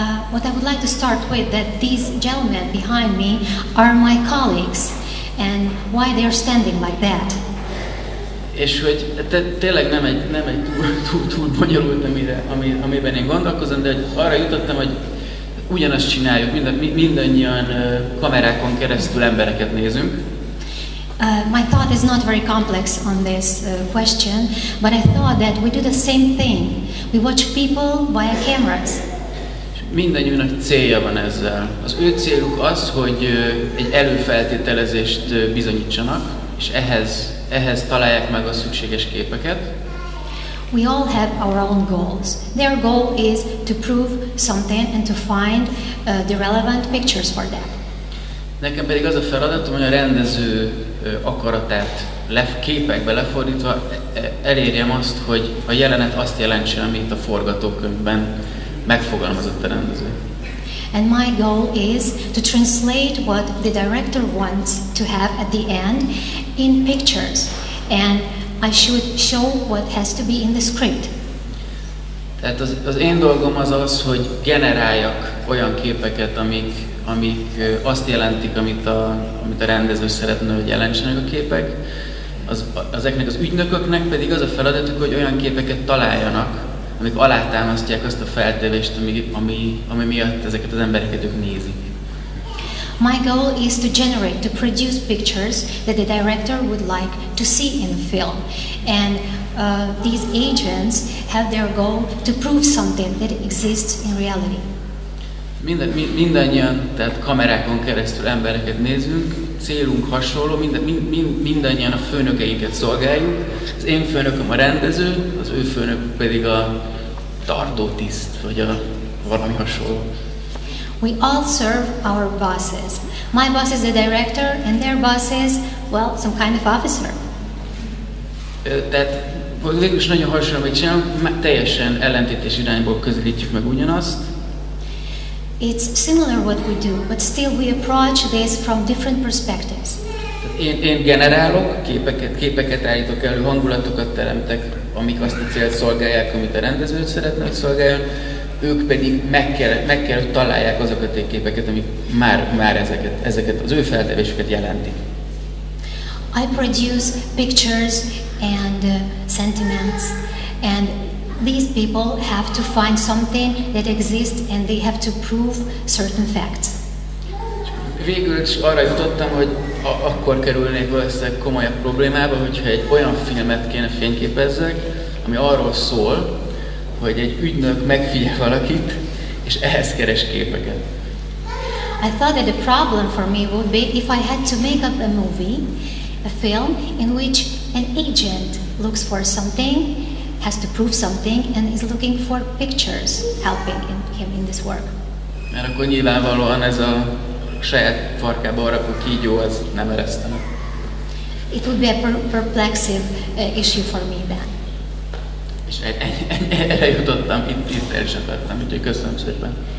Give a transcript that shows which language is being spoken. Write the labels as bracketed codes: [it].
[en] What I would like to start with, that these gentlemen behind me are my colleagues, and why they are standing like that. [hu] És hogy tényleg nem egy túl bonyolult, amiben én gondolkozom, de arra jutottam, hogy ugyanazt csináljuk, mindannyian kamerákon keresztül embereket nézünk. [en] My thought is not very complex on this question, but I thought that we do the same thing. We watch people via cameras. [hu] Mindannyiunknak célja van ezzel. Az ő céljuk az, hogy egy előfeltételezést bizonyítsanak, és ehhez találják meg a szükséges képeket. [en] We all have our own goals. Their goal is to prove something and to find the relevant pictures for them. [hu] Nekem pedig az a feladatom, hogy a rendező akaratát képekbe lefordítva elérjem azt, hogy a jelenet azt jelentse, amit a forgatókönyvben megfogalmazott a rendező. [en] And my goal is to translate what the director wants to have at the end in pictures. And I should show what has to be in the script. [hu] Tehát az én dolgom az, hogy generáljak olyan képeket, amik azt jelentik, amit a rendező szeretne, hogy jelentsenek a képek. Ezeknek az ügynököknek pedig az a feladatuk, hogy olyan képeket találjanak, amik alátámasztják azt a feltevést, ami miatt ezeket az embereket ők nézik. [en] My goal is to generate, to produce pictures that the director would like to see in the film. And these agents have their goal to prove something that exists in reality. [hu] Mindannyian, tehát kamerákon keresztül embereket nézünk, célunk hasonló, mindannyian a főnökeinket szolgáljuk. Az én főnököm a rendező, az ő főnök pedig a tartótiszt, vagy a valami hasonló. [en] We all serve our bosses. My boss is the director, and their boss is, well, some kind of officer. [hu] Tehát végül is nagyon hasonló, hogy csinálunk, teljesen ellentétes irányból közelítjük meg ugyanazt. [en] It's similar what we do, but still we approach this from different perspectives. [hu] Én generálok képeket állítok elő, hangulatokat teremtek, amik azt a célt szolgálják, amit a rendező szeretne, hogy szolgáljon. Ők pedig meg kell hogy találják azokat a képeket, amik már ezeket az ő feltevésüket jelentik. [en] I produce pictures and sentiments, and these people have to find something that exists, and they have to prove certain facts. [hu] Végül is arra jutottam, hogy akkor kerülnék valószínűleg komolyabb problémába, hogyha egy olyan filmet kéne fényképezzek, ami arról szól, hogy egy ügynök megfigyel valakit, és ehhez keres képeket. [en] I thought that the problem for me would be if I had to make up a movie, a film in which an agent looks for something, has to prove something, and is looking for pictures helping him in this work. [hu] Mert akkor nyilvánvalóan ez a saját farkába rakott kígyó, ez nem eresztene. [en] It would be a perplexive issue for me then. [hu] És erre jutottam, itt el sem tettem, úgyhogy köszönöm szépen.